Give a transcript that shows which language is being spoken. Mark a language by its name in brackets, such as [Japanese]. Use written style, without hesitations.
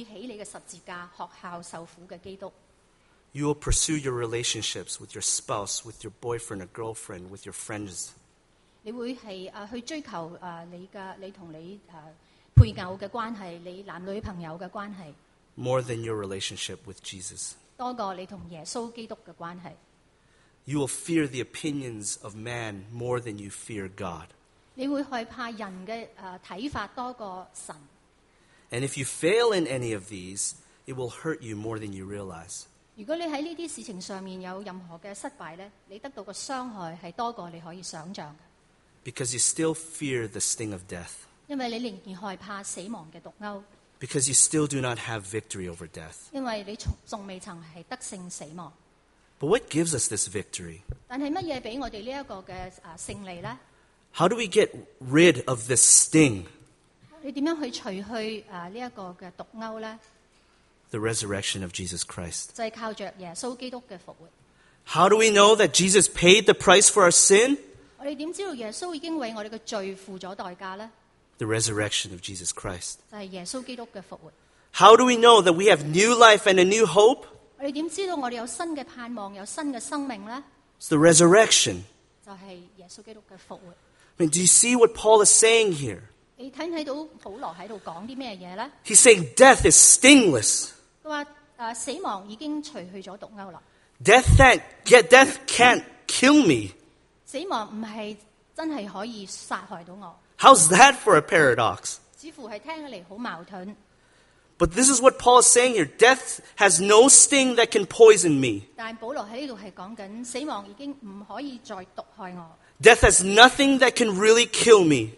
[Chinese] 你会追求你的健康、你的舒适多过你会背起你的十字架、学校受苦的基督。 [English] You will pursue your relationships with your spouse, with your boyfriend or girlfriend, with your friends. [Chinese] 你会去追求你和你配偶的关系、你男女朋友的关系。 [English] More than your relationship with Jesus. [Chinese] 多过你和耶稣基督的关系。 [English] You will fear the opinions of man more than you fear God. [Chinese] 你会害怕人的看法多过神。 [English] And if you fail in any of these, it will hurt you more than you realize. [Chinese] 如果你在这些事情上有任何的失败呢, 你得到的伤害是多过你可以想象的。 [English] Because you still fear the sting of death. [Chinese] 因为你仍然害怕死亡的毒钩。 [English] Because you still do not have victory over death. [Chinese] 因为你还未曾得胜死亡。 [English] But what gives us this victory? [Chinese] 但是什么给我们这个胜利呢? [English] How do we get rid of this sting? [Chinese] 你怎样去除去, 这个毒钩呢? [English] The resurrection of Jesus Christ. [Chinese] 就是靠着耶稣基督的复活。 [English] How do we know that Jesus paid the price for our sin? [Chinese] 我们怎么知道耶稣已经为我们的罪付了代价呢? [English] The resurrection of Jesus Christ. [Chinese] 就是耶稣基督的复活。 [English] How do we know that we have new life and a new hope? [Chinese] 我们怎么知道我们有新的盼望、有新的生命呢? [English] It's the resurrection. [Chinese] 就是耶稣基督的复活。 [English] I mean, do you see what Paul is saying here? He's saying death is stingless. [Chinese] 他說, [English] death can't kill me. [Chinese] 死亡不是真的可以殺害到我。 [English] How's that for a paradox? [Chinese] 似乎是聽起來很矛盾。 [English] But this is what Paul is saying here. Death has no sting that can poison me. [Chinese] 但保羅在這裡是說, [English] death has nothing that can really kill me.